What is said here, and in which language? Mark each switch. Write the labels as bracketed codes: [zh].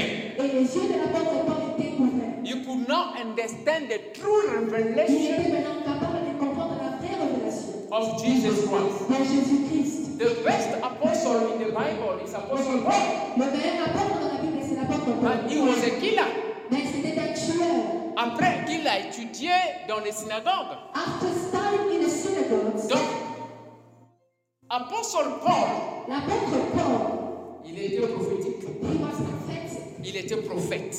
[fr] Et les yeux de l'apôtre Paul étaient ouverts. [en] He could not understand the true revelation. [fr] Il était maintenant capable de comprendre la vraie révélation. [en] Of Jesus Christ. [fr] De Jésus-Christ. [en] The best apostle in the Bible is Apostle Paul. [fr] Le meilleur apôtre dans la Bible, c'est l'apôtre Paul. [en] But he was a killer. [fr] Mais c'était un tueur. Après qu'il a étudié dans les synagogues, [en] after studying in the synagogues, [fr] donc, apôtre Paul, il était prophétique. Il était prophète.